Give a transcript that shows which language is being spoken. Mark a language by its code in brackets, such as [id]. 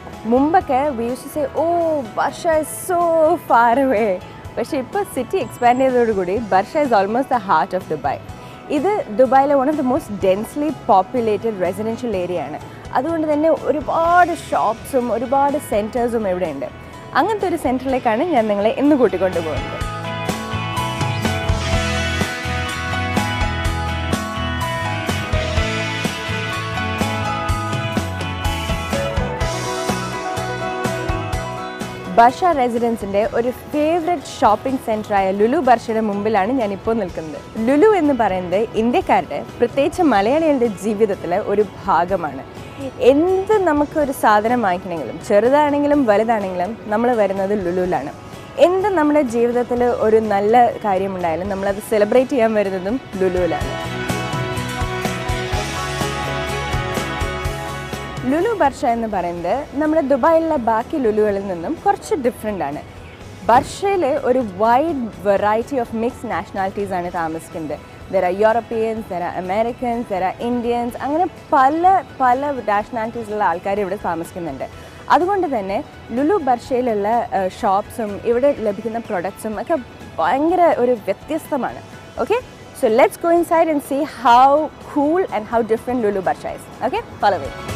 [en] Mumbai, we used to say, oh, Barsha is so far away. But now, the city expanded, Barsha is almost the heart of Dubai. This is Dubai, one of the most densely populated residential areas. That's why there are a lot of shops and centers. [ml] അങ്ങനത്തെ ഒരു സെന്ററിലേക്കാണ് ഞാൻ നിങ്ങളെ ഇന്ന് കൂട്ടിക്കൊണ്ടു പോകുന്നത്. Barsha റെസിഡൻസിന്റെ ഒരു favourite shopping centre ആയ ലുലു ബർഷയുടെ മുമ്പിലാണ് ഞാൻ ഇപ്പോൾ നിൽക്കുന്നത്. ലുലു എന്ന് പറയുന്നത് ഇന്ത്യക്കാരുടെ, പ്രത്യേകിച്ച് മലയാളികളുടെ ജീവിതത്തിലെ ഒരു ഭാഗമാണ്. എന്ത് നമുക്കൊരു സാധനം വാങ്ങിക്കണമെങ്കിലും, ചെറുതാണെങ്കിലും വലുതാണെങ്കിലും, നമ്മൾ വരുന്നത് ലുലുവിലാണ്. എന്ത് നമ്മുടെ ജീവിതത്തിൽ ഒരു നല്ല കാര്യമുണ്ടായാലും നമ്മളത് സെലിബ്രേറ്റ് ചെയ്യാൻ വരുന്നതും ലുലുവിലാണ്. ലുലു ബർഷ എന്ന് പറയുന്നത് നമ്മുടെ ദുബായിലുള്ള ബാക്കി ലുലുകളിൽ നിന്നും കുറച്ച് ഡിഫറെൻ്റ് ആണ്. ബർഷയിൽ ഒരു [en] wide variety of mixed nationalities [ml] ആണ് താമസിക്കുന്നത്. [en] There are Europeans, there are Americans, there are Indians. [ml] അങ്ങനെ പല പല നാഷണാലിറ്റീസിലുള്ള ആൾക്കാർ ഇവിടെ താമസിക്കുന്നുണ്ട്. അതുകൊണ്ട് തന്നെ ലുലു ബർഷയിലുള്ള ഷോപ്സും ഇവിടെ ലഭിക്കുന്ന പ്രൊഡക്ട്സും ഒക്കെ ഭയങ്കര ഒരു വ്യത്യസ്തമാണ്. [en] Okay, so let's go inside and see how cool and how different Lulu Barsha is. Okay, follow me.